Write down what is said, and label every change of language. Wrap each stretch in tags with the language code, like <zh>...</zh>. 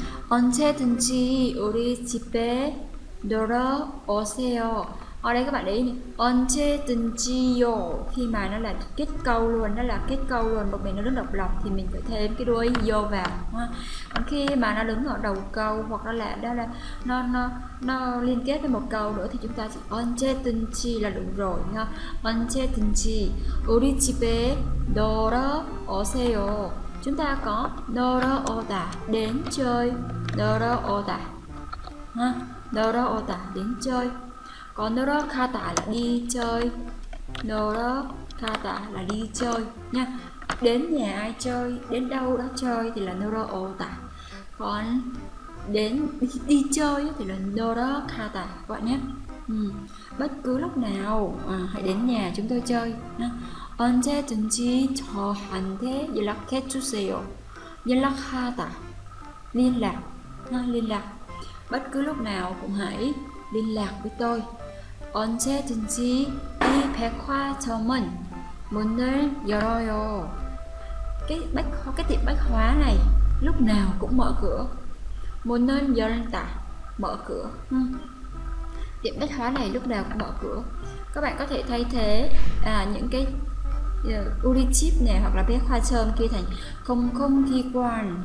<ko>언제든지 우리 집에 놀러 오세요.</ko> <vi>Ở đây các bạn để ý nè.</vi> <ko>언제든지요.</ko> <vi>Khi mà nó là kết câu luôn, nó là kết câu luôn, một mình nó rất độc lập thì mình phải thêm cái đuôi vô vào ha. Còn khi mà nó đứng ở đầu câu hoặc nó là đó là nó liên kết với một câu nữa thì chúng ta chỉ 언제든지 là đủ rồi ha.</vi> <ko>언제든지 우리 집에 놀러 오세요.</ko> <vi>Chúng ta có</vi> <ko>놀러 오다</ko> <vi>đến chơi.</vi> <ko>놀러 오다.</ko> <vi>Ha,</vi> <ko>놀러 오다</ko> <vi>đến chơi. Có</vi> <ko>놀러 가다</ko> <vi>là đi chơi.</vi> <ko>놀러 가다</ko> <vi>là đi chơi nha. Đến nhà ai chơi, đến đâu đó chơi thì là</vi> <ko>놀러 오다.</ko> <vi>Còn đến đi chơi thì là</vi> <ko>놀러 가다</ko> <vi>các bạn nhé. Bất cứ lúc nào hãy đến nhà chúng tôi chơi nha.</vi> <ko>언제든지 저한테 연락해 주세요.</ko> <vi>연락하다. Liên lạc. Nha, liên lạc. Bất cứ lúc nào cũng hãy liên lạc với tôi.</vi> <ko>언제든지 이 백화점은 문을 열어요.</ko> <vi>Cái tiệm bách hóa này lúc nào cũng mở cửa.</vi> <ko>문을 열다</ko> <vi>mở cửa. Tiệm bách hóa này lúc nào cũng mở cửa. Các bạn có thể thay thế những cái uri chip này hoặc là bé khoa chơm kia thành không không ghi quan.</vi>